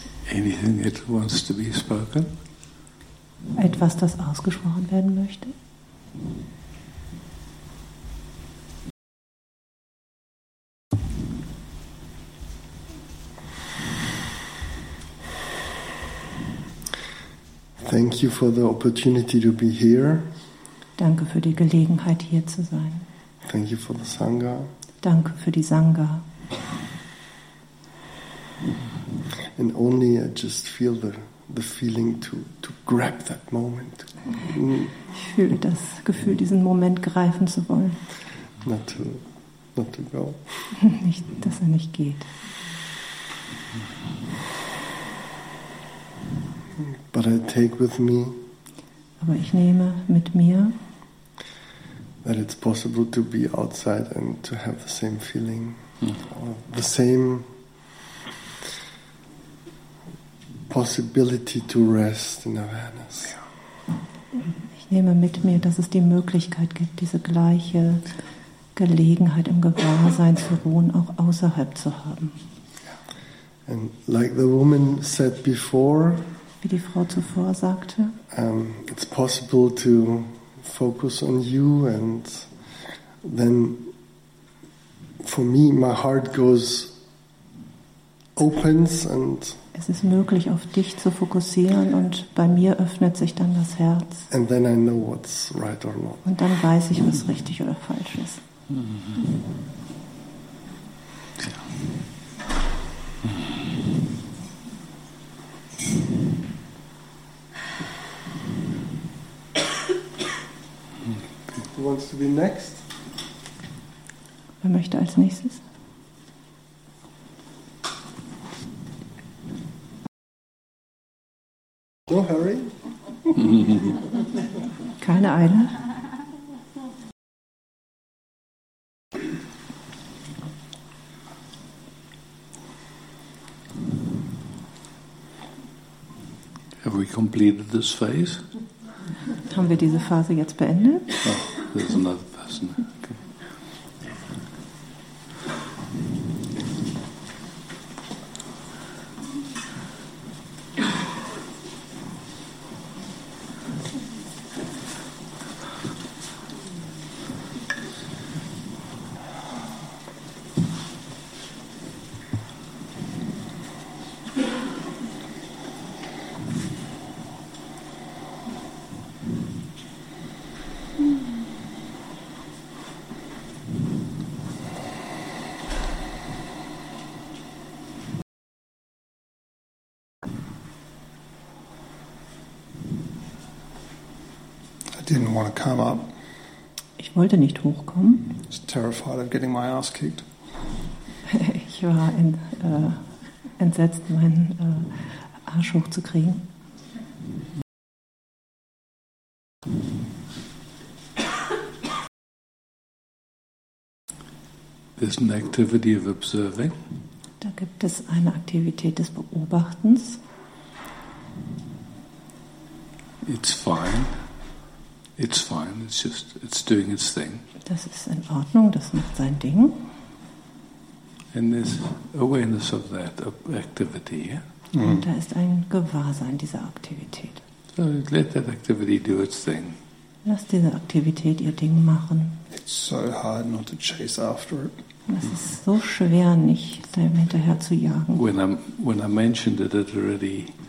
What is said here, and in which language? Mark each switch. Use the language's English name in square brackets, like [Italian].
[English] Anything that wants to be spoken? [German] Etwas, das ausgesprochen werden möchte? [English] Thank you for the opportunity to be here. [German] Danke für die Gelegenheit, hier zu sein. [English] Thank you for the Sangha. [German] Danke für die Sangha. [English] And only I just feel the feeling to grab that moment. [German] Ich fühle das Gefühl, diesen Moment greifen zu wollen. [English] Not to go. [German] Nicht, dass er nicht geht. [English] But I take with me. [German] Aber ich nehme mit mir. [English] That it's possible to be outside and to have the same feeling, the same possibility to rest in awareness. [German] Ich nehme mit mir, dass es die Möglichkeit gibt, diese gleiche Gelegenheit im Gewahrsein zu ruhen, auch außerhalb zu haben. [English] And like the woman said before, [German] wie die Frau zuvor sagte, [English] it's possible to focus on you, and then for me, my heart goes opens and. [German] Es ist möglich, auf dich zu fokussieren, und bei mir öffnet sich dann das Herz. [English] And then I know what's right or not. [German] Und dann weiß ich, was richtig oder falsch ist. [English] Who wants to be next? [German] Wer möchte als nächstes? [English] No hurry. [German] Keine Eile. [English] Have we completed this phase? [German] Haben wir diese Phase jetzt beendet? [English] There's another person. Okay. Didn't want to come up. [German] Ich wollte nicht hochkommen. [English] I was terrified of getting my ass kicked. [German] Ich war entsetzt, meinen Arsch hochzukriegen. [English] There's an activity of observing. [German] Da gibt es eine Aktivität des Beobachtens. [English] It's fine. It's fine, it's just, it's doing its thing. [German] Das ist in Ordnung, das macht sein Ding. [English] And there's awareness of that activity, yeah? Mm. [German] Und da ist ein Gewahrsein dieser Aktivität. [English] So let that activity do its thing. [German] Lass diese Aktivität ihr Ding machen. [English] It's so hard not to chase after it. [German] Es ist so schwer, nicht dem hinterher zu jagen. [English] When I mentioned it, it already...